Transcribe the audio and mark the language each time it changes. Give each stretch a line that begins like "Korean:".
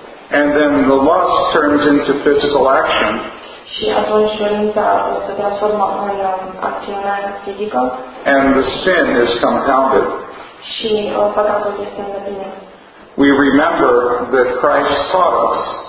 English: And then the lust turns into physical action.
Romanian: Și atunci dorința se transformă în acțiune fizică.
English: And the sin is compounded.
Romanian: Și păcatul este înlăturat.
English: We remember that Christ taught us